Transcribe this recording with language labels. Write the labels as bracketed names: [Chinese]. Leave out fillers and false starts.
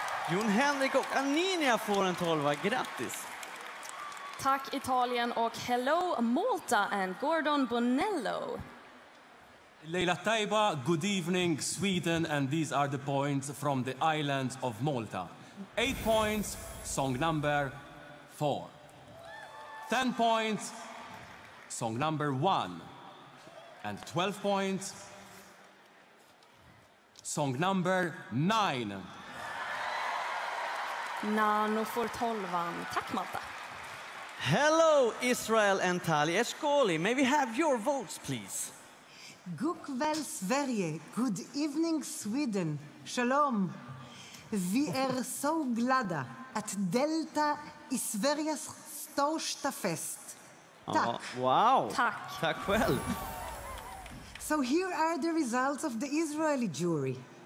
[Swedish] Jon Henrik och Aninia får en 12, grattis! Tack Italien och [English] hello Malta and Gordon Bonello. Leila Taiba, good evening Sweden, and these are the points from the island of Malta. 8 points, song number 4. 10 points, song number 1. And 12 points, song number 9. [Swedish] Nano får 12. Tack Malta. [English] Hello, Israel and Tali Eskoli. May we have your votes, please? [Swedish] God kväll, Sverige. [English] Good evening, Sweden. [Swedish] Shalom. Vi är så glada att delta i Sveriges största fest. Tack. [English] Oh, wow. [Swedish] Tack. Tack väl. [English] So here are the results of the Israeli jury.